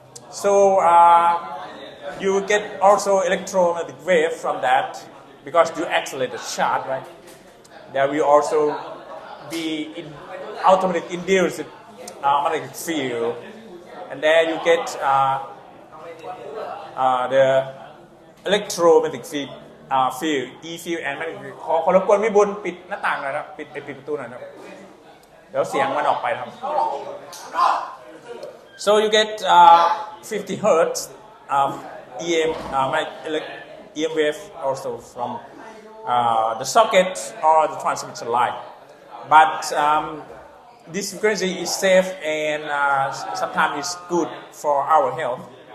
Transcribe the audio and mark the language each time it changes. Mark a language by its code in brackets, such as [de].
[en] So you get also electromagnetic wave from that because you accelerate the shot, right? There will also be in automatic induced magnetic field, and then you get the electromagnetic field. Field, E field and magnetic field. [th] ขอรบกวนพี่บุญปิดหน้าต่างหน่อยนะปิดไปปิดประตูหน่อยนะเดี๋ยวเสียงมันออกไปครับ [en] So you get 50 hertz of EM EM wave also from the socket or the transmitter line. But this frequency is safe and sometimes it's good for our health.